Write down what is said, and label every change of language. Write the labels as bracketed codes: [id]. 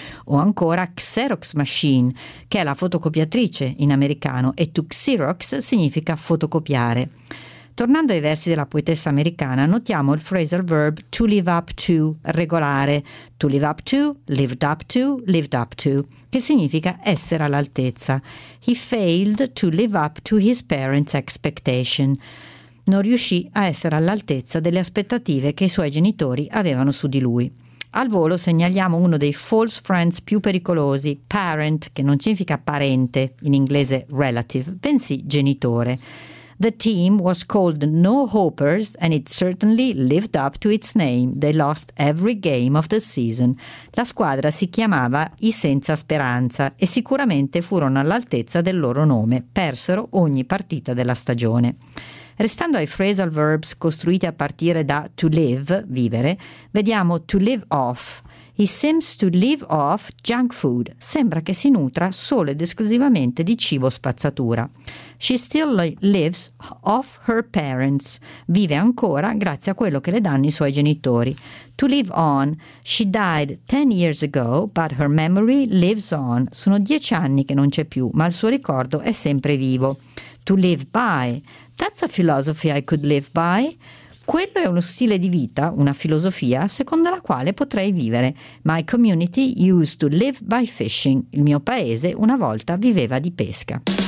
[it] O ancora Xerox machine, che è la fotocopiatrice in americano, e to Xerox significa fotocopiare. Tornando ai versi della poetessa americana, notiamo il phrasal verb to live up to, regolare, to live up to, lived up to, lived up to, che significa essere all'altezza. [en] He failed to live up to his parents' expectation. [it] Non riuscì a essere all'altezza delle aspettative che i suoi genitori avevano su di lui. Al volo segnaliamo uno dei false friends più pericolosi, parent, che non significa parente, in inglese relative, bensì genitore. [en] The team was called No Hopers and it certainly lived up to its name. They lost every game of the season. [it] La squadra si chiamava I Senza Speranza e sicuramente furono all'altezza del loro nome. Persero ogni partita della stagione. Restando ai phrasal verbs costruiti a partire da to live, vivere, vediamo to live off. [en] He seems to live off junk food. [it] Sembra che si nutra solo ed esclusivamente di cibo spazzatura. [en] She still lives off her parents. [it] Vive ancora grazie a quello che le danno i suoi genitori. [en] To live on. She died 10 years ago, but her memory lives on. [it] Sono 10 anni che non c'è più, ma il suo ricordo è sempre vivo. [en] To live by. That's a philosophy I could live by. [it] Quello è uno stile di vita, una filosofia, secondo la quale potrei vivere. My community used to live by fishing. Il mio paese una volta viveva di pesca.